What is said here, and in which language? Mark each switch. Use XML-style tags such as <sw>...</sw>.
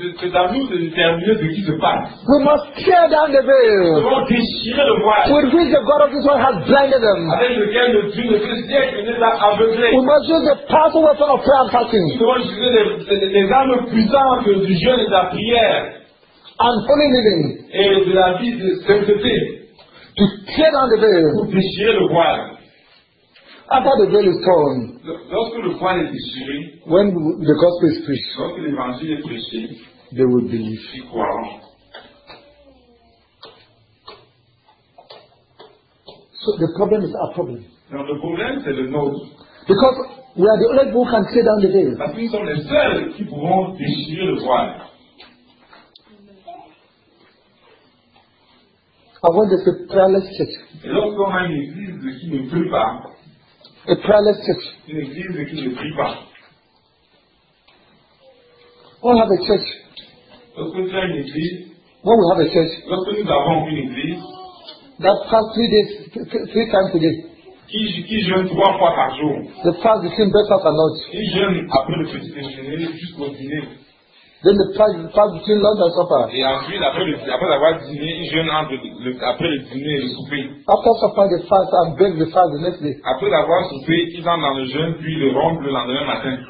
<fr>C'est à nous de déterminer de qui se passe.</fr> <en>We must tear down the veil.</en> <fr>Nous devons déchirer le voile.</fr> <en>With which the God of this world has blinded them.</en> <fr>Avec lequel le Dieu de ce siècle nous a aveuglés.</fr> <en>We must use the powerful weapon of prayer and fasting.</en> <fr>Nous devons utiliser les armes puissantes du jeûne et de la prière.</fr> <en>And holy living.</en> <fr>Et de la vie de sainteté.</fr> <en>to tear down the veil.</en> <fr>Pour déchirer le voile.</fr> <en>After the veil is torn,</en> <fr>lorsque le voile est déchiré,</fr> <en>when the gospel is preached,</en> <fr>lorsque l'évangile est prêché,</fr> <en>they will believe.</en> <fr>Ils croiront.</fr> <en>So the problem is our problem.</en> <fr>Non, le problème c'est le nôtre.</fr> <en>Because we are the only people who can tear down the veil.</en> <fr>Parce que nous sommes les seuls qui pourront déchirer le voile.</fr> <en>I want this a prayerless church.</en> <fr>Et lorsqu'on a une église qui ne prie pas,</fr> <en>a prayerless church.</en> <fr>Une église qui ne prie pas.</fr> <en>We have a church.</en> <fr>Lorsque nous avons une église,</fr> <en>when we have a church,</en> <fr>lorsque nous avons une église,</fr> <en>that fast 3 days, 3 times a day.</en> <fr>Qui jeûne 3 fois par jour.</fr> <en>The fast between breakfast and lunch.</en> <fr>Qui jeûne après le petit déjeuner jusqu'au dîner.</fr> <en>Then the fast between lunch and supper.</en> <fr>Et ensuite, après avoir dîné, ils jeûnent après le dîner et le souper.</fr> <en>After supper, they fast and break the fast the next day.</en> <fr>Après avoir soupé, ils entrent dans le jeûne puis ils le rompent le lendemain matin.</fr>